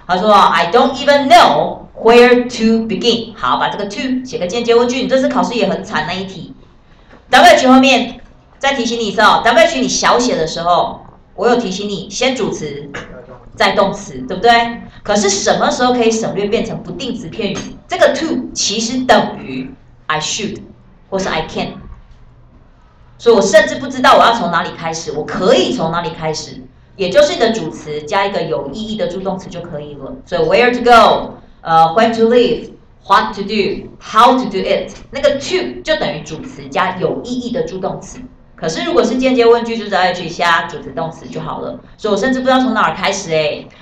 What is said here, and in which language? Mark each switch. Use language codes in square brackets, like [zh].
[zh] 他说 [en] ：“I don't even know where to begin。” [zh] 好，把这个 to 写个间接问句。你这次考试也很惨那一题。 WH 后面再提醒你一次哦 ，WH 你小写的时候，我有提醒你先主词，再动词，对不对？可是什么时候可以省略变成不定词片语？这个 to 其实等于 [en] I should [zh] 或是 [en] I can。 [zh] 所以我甚至不知道我要从哪里开始，我可以从哪里开始，也就是你的主词加一个有意义的助动词就可以了。所以 [en] where to go， when to leave， what to do， how to do it， [zh] 那个 to 就等于主词加有意义的助动词。可是如果是间接问句，就在 H 加主词动词就好了。所以我甚至不知道从哪儿开始哎。